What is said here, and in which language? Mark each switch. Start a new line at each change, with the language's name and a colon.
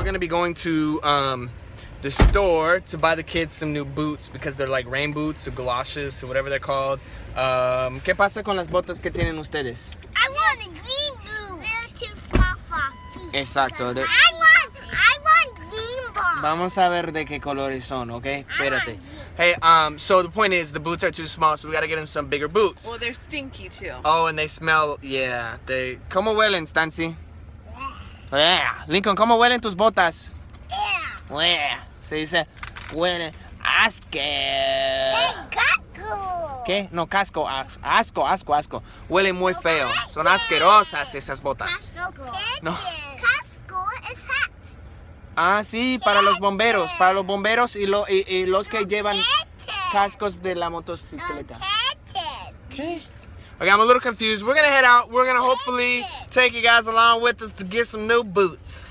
English: We're gonna be going to the store to buy the kids some new boots because they're like rain boots or galoshes or whatever they're called.
Spanish: ¿Qué pasa con las botas que tienen ustedes?
English: I want a green boot. They're too small for feet.
Spanish: Exacto.
English: I want green boots.
Spanish: Vamos a ver de qué colores son, okay? Espérate.
English: Hey, so the point is the boots are too small, so we gotta get them some bigger boots. Well, they're stinky too. Oh, and they smell. Yeah, they.
Spanish: ¿Cómo huelen, Stancy?
English: Yeah.
Spanish: Lincoln, ¿cómo huelen tus botas?
English: Yeah. Yeah.
Spanish: Se dice, huele asco. ¡Qué casco! ¿Qué? No, casco. Asco, asco, asco. Huele muy feo. Son asquerosas esas botas. Casco. ¿Qué? Casco es
English: hat.
Spanish: Ah, sí, para los bomberos. Para los bomberos y, lo, y los que llevan cascos de la motocicleta. ¿Qué?
English: Okay, I'm a little confused. We're gonna head out. We're gonna hopefully take you guys along with us to get some new boots.